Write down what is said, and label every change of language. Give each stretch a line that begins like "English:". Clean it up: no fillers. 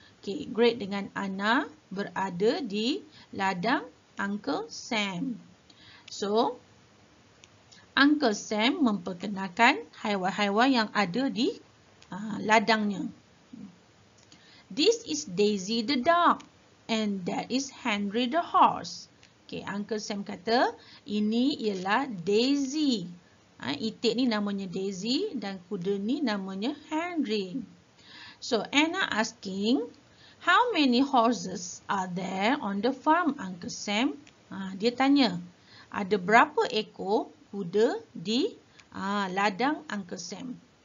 Malay: Okay, Greg dengan Anna berada di ladang Uncle Sam. So, Uncle Sam memperkenalkan haiwan-haiwan yang ada di ladangnya.
English: This is Daisy the dog and that is Henry the horse.
Malay: Okay, Uncle Sam kata ini ialah Daisy. Itik ni namanya Daisy dan kuda ni namanya Henry.
English: So, Anna asking, how many horses are there on the farm, Uncle Sam?
Malay: Dia tanya, ada berapa ekor kuda di ladang Uncle Sam?